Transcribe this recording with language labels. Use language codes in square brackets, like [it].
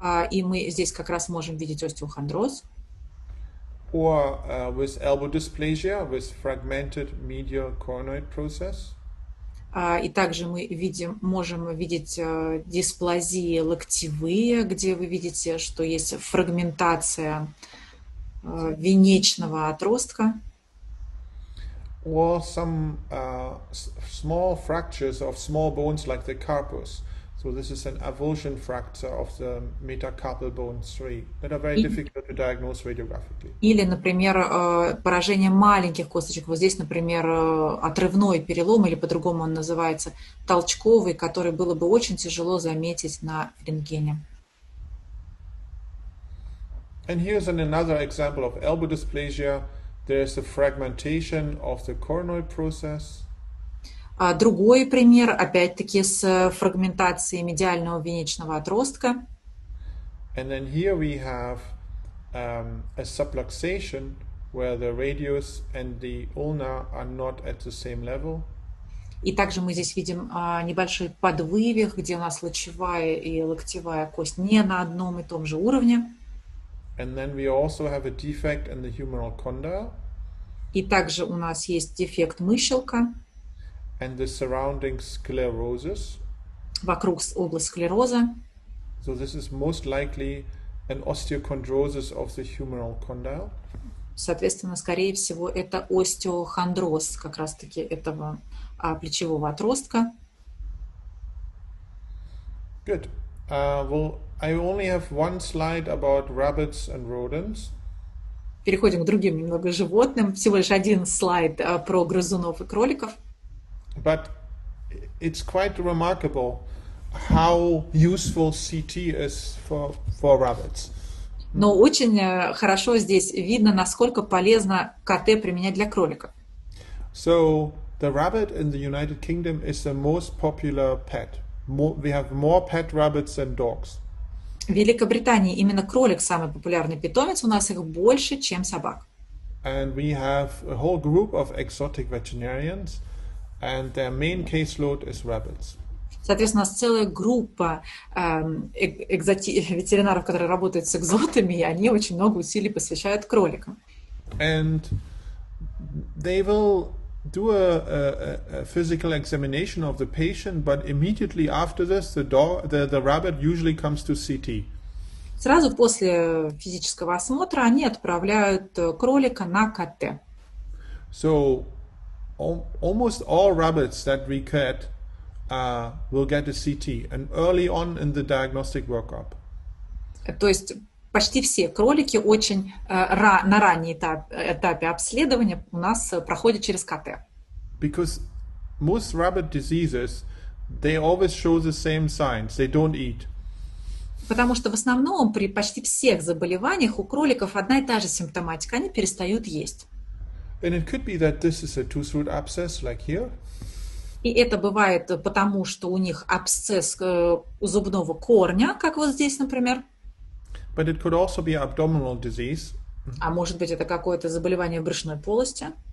[ru] И мы здесь как раз можем видеть остеохондроз. [en] Or with elbow dysplasia with fragmented medial coronoid process. [ru] И также мы можем видеть дисплазии локтевые, где вы видите, что есть фрагментация венечного отростка. [en] Or some small fractures of small bones like the carpus. So this is an avulsion fracture of the metacarpal bone 3 that are very difficult to diagnose radiographically. [ru] Или, например, поражение маленьких косточек. Вот здесь, например, отрывной перелом, или по-другому он называется, толчковый, который было бы очень тяжело заметить на рентгене. [en] And here's another example of elbow dysplasia. There's a fragmentation of the coronoid process. [ru] Другой пример, опять-таки, с фрагментацией медиального венечного отростка. [en] And then here we have a subluxation where the radius and the ulna are not at the same level. [ru] И также мы здесь видим небольшой подвывих, где у нас лучевая и локтевая кость не на одном и том же уровне. [en] And then we also have a defect in the humeral condyle. [ru] И также у нас есть дефект мыщелка. [en] And the surrounding sclerosis. [ru] Вокруг область склероза. [en] So this is most likely an osteochondrosis of the humeral condyle. [ru] Соответственно, скорее всего, это остеохондроз как раз-таки этого плечевого отростка. [en] Good. Well, I only have one slide about rabbits and rodents. [ru] Переходим к другим немного животным. Всего лишь один слайд про грызунов и кроликов. [en] But it's quite remarkable how useful CT is for rabbits. [ru] Но очень хорошо здесь видно, насколько полезно КТ применять для кроликов. [en] So the rabbit in the United Kingdom is the most popular pet. We have more pet rabbits than dogs. [ru] В Великобритании именно кролик самый популярный питомец, у нас их больше, чем собак. [en] And we have a whole group of exotic veterinarians, and their main caseload is rabbits. [ru] Соответственно, у нас целая группа ветеринаров, которые работают с экзотами, и они очень много усилий посвящают кроликам. [en] And they will do a physical examination of the patient, but immediately after this, the rabbit usually comes to CT. [ru] Сразу после физического осмотра они отправляют кролика на КТ. [en] So almost all rabbits that we get will get a CT, and early on in the diagnostic workup. [ru] То есть почти все кролики очень на раннем этапе обследования у нас проходят через КТ. [en] Because most rabbit diseases, they always show the same signs. They don't eat. [ru] Потому что в основном при почти всех заболеваниях у кроликов одна и та же симптоматика. Они перестают есть. [en] And it could be that this is a tooth-root abscess, like here. [ru] И это бывает потому, что у них абсцесс зубного корня, как вот здесь, например. [en] But it could also be abdominal disease. [ru] А может быть, это какое-то заболевание брюшной полости.